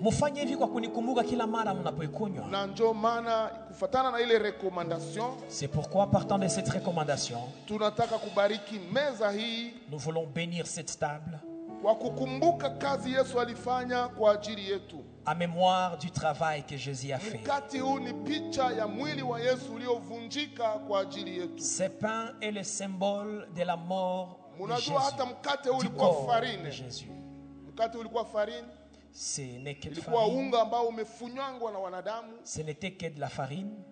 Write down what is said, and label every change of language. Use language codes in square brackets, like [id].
[sw] Mufanye hivi kwa kunikumbuka kila mara mnapoikunywa. Na njo maana kufatana na ile recommandation. [fr] C'est pourquoi partant de cette recommandation, [sw] tunataka kubariki meza hii. [fr] Nous voulons bénir cette table. [sw] Kwa kukumbuka kazi Yesu alifanya kwa ajili yetu. [fr] À mémoire du travail que Jésus a fait. [sw] Mkate huu ni picha ya mwili wa Yesu uliovunjika kwa ajili yetu. [fr] Ce pain est le symbole de la mort. [sw] Munajua hata mkate huu ulikuwa farine. [fr] Jésus. [sw] Mkate ulikuwa farine. [fr] Ce n'est que [sw] ilikuwa unga ambao umefunyangwa na wanadamu. [fr] Ce n'était que de la farine.